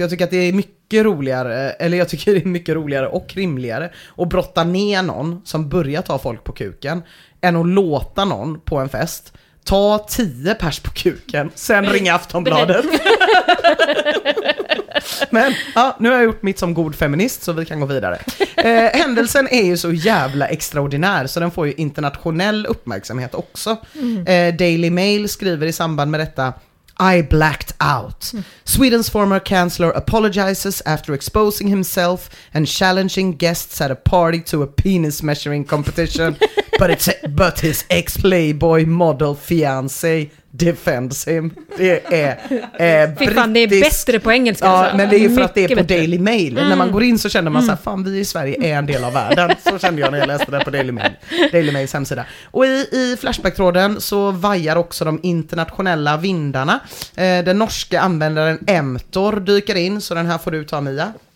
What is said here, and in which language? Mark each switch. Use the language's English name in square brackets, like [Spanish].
[Swedish] Jag tycker att det är mycket roligare, eller jag tycker det är mycket roligare och rimligare att brotta ner någon som börjar ta folk på kuken än att låta någon på en fest ta 10 pers på kuken, sen ringa Aftonbladet. Men ja, nu har jag gjort mitt som god feminist, så vi kan gå vidare. Händelsen är ju så jävla extraordinär, så den får ju internationell uppmärksamhet också. Daily Mail skriver i samband med detta, [English] I blacked out. Sweden's former chancellor apologizes after exposing himself and challenging guests at a party to a penis measuring competition. But his ex-playboy model fiancé defends him. [Swedish] Det är fan, det är bättre på engelska. Ja, alltså. Men det är ju för att det är på Daily Mail. När man går in så känner man så här, fan, vi i Sverige är en del av världen. Så kände jag när jag läste det på Daily Mail. Daily Mails hemsida. Och i flashbacktråden så vajar också de internationella vindarna. Den norska användaren Emtor dyker in, så den här får du ta, Mia.